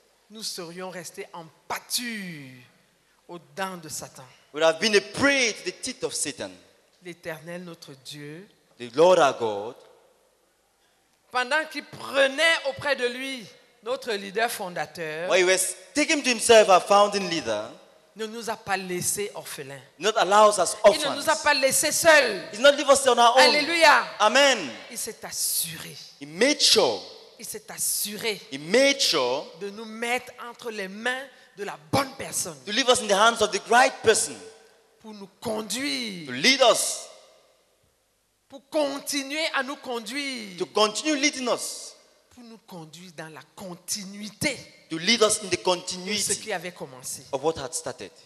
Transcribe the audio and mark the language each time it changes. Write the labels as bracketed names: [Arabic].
[French] Nous serions restés en pâture aux dents de Satan. [English] We have been a prey to the teeth of Satan. [French] L'Éternel notre Dieu. [English] The Lord our God. [French] Pendant qu'il prenait auprès de lui notre leader fondateur. [English] While he was taking to himself our founding leader. [French] Ne nous a pas laissé orphelins. [English] Not allow us orphans. [French] Il ne nous a pas laissé seuls. [English] He's not leave us on our own. [French] Alléluia. [English] Amen. [French] Il s'est assuré. [English] He made sure. [French] Il s'est assuré. [English] He made sure. [French] De nous mettre entre les mains de la bonne personne. [English] To leave us in the hands of the right person. [French] Pour nous conduire. [English] To lead us. [French] Pour continuer à nous conduire. [English] To continue leading us. [French] Pour nous conduire dans la continuité. [English] To lead us in the continuity. [French] Ce qui avait commencé. [English] Of what had started.